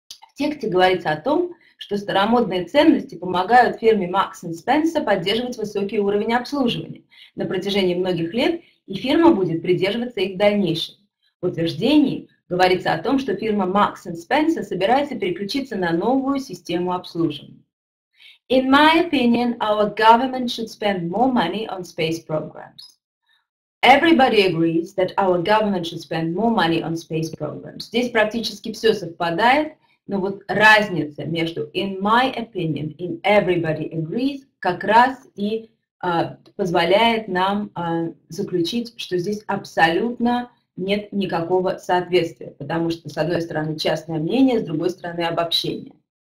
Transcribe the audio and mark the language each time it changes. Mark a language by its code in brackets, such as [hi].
[ru] В тексте говорится о том, что старомодные ценности помогают фирме Marx & Spencer поддерживать высокий уровень обслуживания на протяжении многих лет, и фирма будет придерживаться их в дальнейшем. В утверждении говорится о том, что фирма Marx & Spencer собирается переключиться на новую систему обслуживания. [en] In my opinion, our government should spend more money on space programs. Everybody agrees that our government should spend more money on space programs. [ru] Здесь практически все совпадает, но вот разница между [en] in my opinion [ru] и [en] everybody agrees [ru] как раз и позволяет нам заключить, что здесь абсолютно нет никакого соответствия, потому что с одной стороны частное мнение, с другой стороны обобщение.